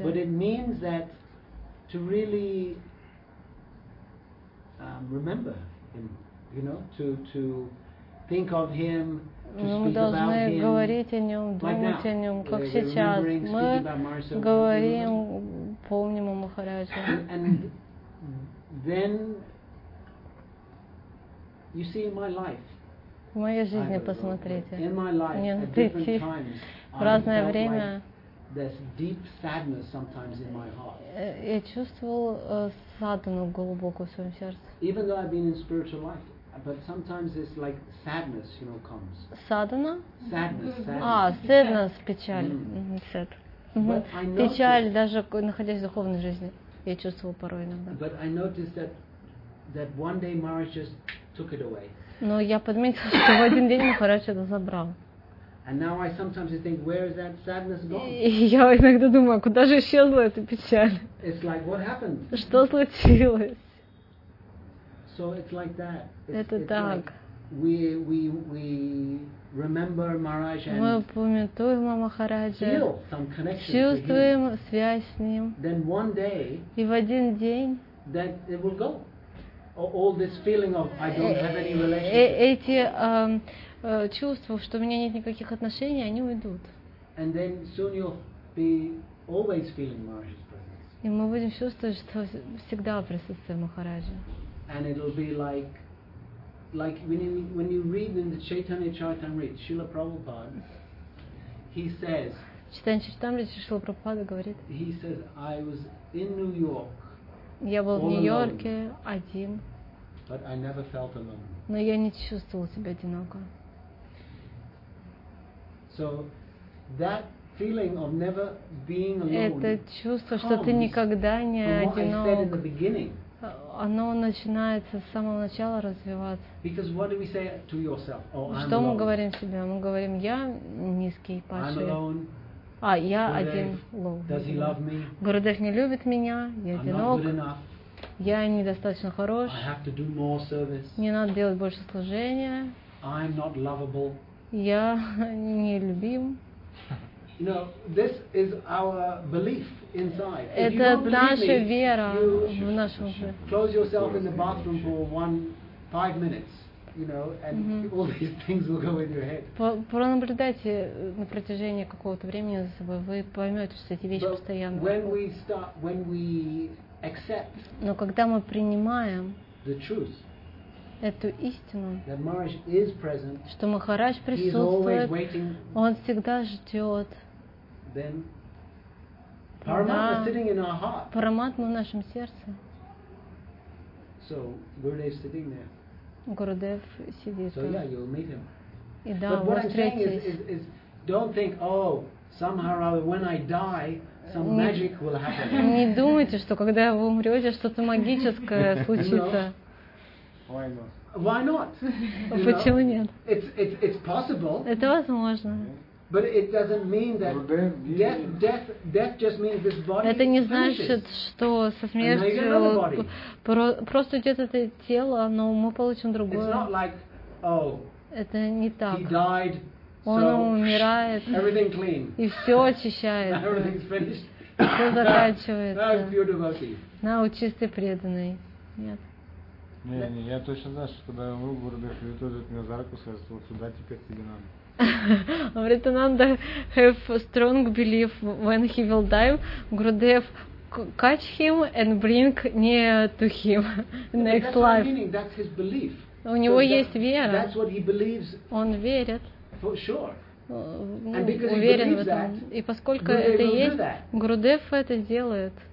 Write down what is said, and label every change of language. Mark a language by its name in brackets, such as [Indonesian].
[English] But it means that to really remember him, you know, to think of him, to [Russian] мы [English] speak [Russian] должны [English] about [Russian] говорить [English] him, [Russian] о нем, думать [English] like [Russian] о нем, как сейчас. Мы говорим, помним о Махараджа. [English] And then you see in my life. [Russian] в моей жизни посмотрите. Нет, идти в разное время. [English] There's deep sadness sometimes in my heart. [Russian] Я чувствовал саду глубокую в своем сердце. [English] Even though I've been in spiritual life, but sometimes it's like sadness, you know, comes. [Russian] Садана? [English] Sadness. [Russian] Sadness, печаль. Сад. Печаль, даже находясь в духовной жизни, я чувствовал порой иногда. [English] But I noticed that one day Maharaj just took it away. [Russian] Но я подметил, что в один день Махарадж это забрал. [English] And now I sometimes think, where is that sadness gone? [Russian] Я иногда думаю, куда же исчезла эта печаль? [English] It's like, what happened? [Russian] Что случилось? [English] So it's like that. [Russian] Это так. [English] We remember Maharaj and [Russian] мы помним Махараджа. [English] Feel some connection. [Russian] Чувствуем связь с ним. [English] Then one day. [Russian] И в один день. [English] Then it will go. All this feeling of I don't have any relationship. [Russian] Эти чувствовал, что у меня нет никаких отношений, они уйдут. [English] And then soon you'll be always feeling Maharaj's presence. [Russian] И мы будем чувствовать, что всегда присутствие Махараджа. [English] And it'll be like when you read in the Chaitanya Charitamrita, Srila Prabhupada, he says. [Russian] Читая Чайтамриту, Шрила Прабхупада говорит. [English] He says, I was in New York. [Russian] Я был в Нью-Йорке один. [English] But I never felt alone. [Russian] Но я не чувствовал себя одиноко. [English] So that feeling of never being alone. [Russian] Это чувство, что ты никогда не одинок. Оно начинается с самого начала развиваться. [English] Because what do we say to yourself? Oh, I'm alone. [Russian] Что мы говорим себе? Мы говорим: я низкий, падший. [English] I'm alone. [Russian] А я один. [English] Does he love me? [Russian] Гурудев не любит меня. Я одинок. Я недостаточно хорош. [English] I have to do more service. [Russian] Мне надо делать больше служения. [English] I'm not lovable. [Russian] Я не любим. [English] You know, this is our belief inside. [Russian] Это наша вера в нашем. [English] Close yourself in the bathroom for 5 minutes, you know, and all these things will go in your head. [Russian] Пронаблюдайте на протяжении какого-то времени за собой, вы поймете, что эти вещи постоянно. [English] When we start, when we accept. [Russian] Но когда мы принимаем. [English] The truth. [Russian] Эту истину, [English] that Maharaj is present, [Russian] что Махарадж присутствует, [English] waiting, [Russian] он всегда ждет. [English] Then, Paramatma is sitting in our heart. [Russian] Параматма в нашем сердце. [English] So, Gurudev sitting there. [Russian] Гурудев сидит. [English] So, yeah, you'll meet him. [Russian] И да, [English] but what I'm saying is, don't think, oh, somehow or other, when I die, some magic will happen. [Russian] Не думайте, что когда вы умрете, что-то магическое случится. [English] Why not? [Russian] Почему нет? [English] It's possible. [Russian] Это возможно. [English] But it doesn't mean that death just means this body. [Russian] Это не значит, что со смертью просто идет это тело, но мы получим другое. [English] It's not like, oh. [Russian] Это не так. [English] He died. [Russian] Он умирает. [English] Everything clean. [Russian] И все очищает. [English] Everything's finished. [Russian] Все заканчивается. [English] Now pure devotee. Now [Russian] чистый преданный. Нет. Не, я точно знаю, что когда я умру, Гурудев приведет меня за руку и скажет, вот сюда теперь тебе надо. Он говорит, надо [English] have strong belief when he will die. Гурудев catch him and bring me to him next life. That's his belief. [Russian] У него есть вера. [English] That's what he believes. [Russian] Он верит. [English] For sure. And because he believes that, [Russian] и поскольку это есть, Гурудев это сделает.